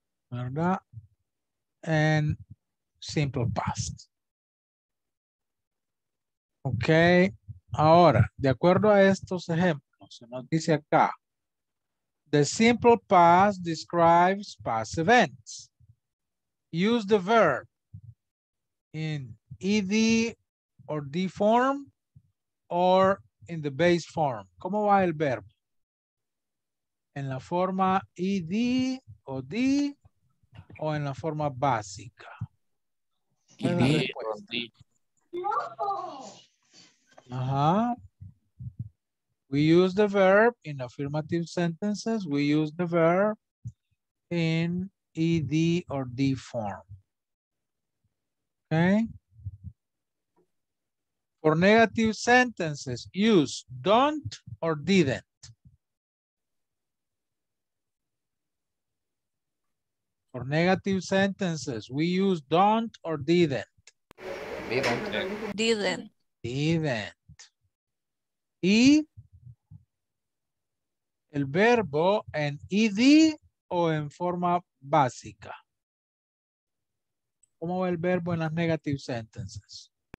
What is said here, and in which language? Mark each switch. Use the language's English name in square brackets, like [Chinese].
[English] ¿Verdad? And simple past. Ok. [Spanish] Ahora, de acuerdo a estos ejemplos, se nos dice acá. [English] The simple past describes past events. Use the verb in ed or d form or in the base form. [Spanish] ¿Cómo va el verbo? En la forma ed o d o en la forma básica. Ed o d. [English] Ajá. We use the verb in affirmative sentences. We use the verb in ed or d form. Okay. For negative sentences, use don't or didn't. For negative sentences, we use don't or didn't. Didn't. Didn't. [Spanish] Didn't. Y el verbo en ed o en forma básica. ¿Cómo va el verbo en las [English] negative sentences?